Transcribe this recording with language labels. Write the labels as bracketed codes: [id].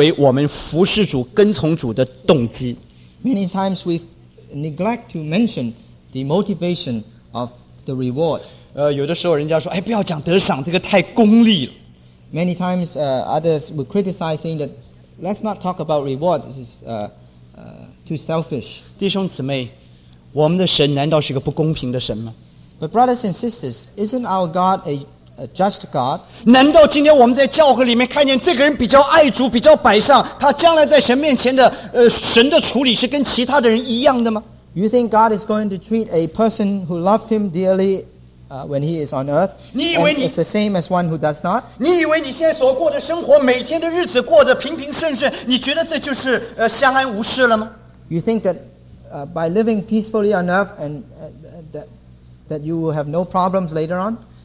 [zh] 今天我们在教会里面缺少不断的用赏赐来成为我们服侍主、跟从主的动机。 [en] Many times we neglect to mention the motivation of the reward. [zh] 有的时候人家说，哎，不要讲得赏，这个太功利了。 [en] Many times others will criticize saying that let's not talk about reward. This is too selfish. [zh] 弟兄姊妹。我们的神难道是个不公平的神吗？ [en] But brothers and sisters, isn't our God a just God? [zh] 难道今天我们在教会里面看见这个人比较爱主、比较摆上，他将来在神面前的神的处理是跟其他的人一样的吗？ [en] You think God is going to treat a person who loves him dearly when he is on earth? [zh] 你以为你 [en] is the same as one who does not? [zh] 你以为你现在所过的生活，每天的日子过得平平顺顺，你觉得这就是相安无事了吗？ [en] You think that by living peacefully enough and that you will have no problems later on?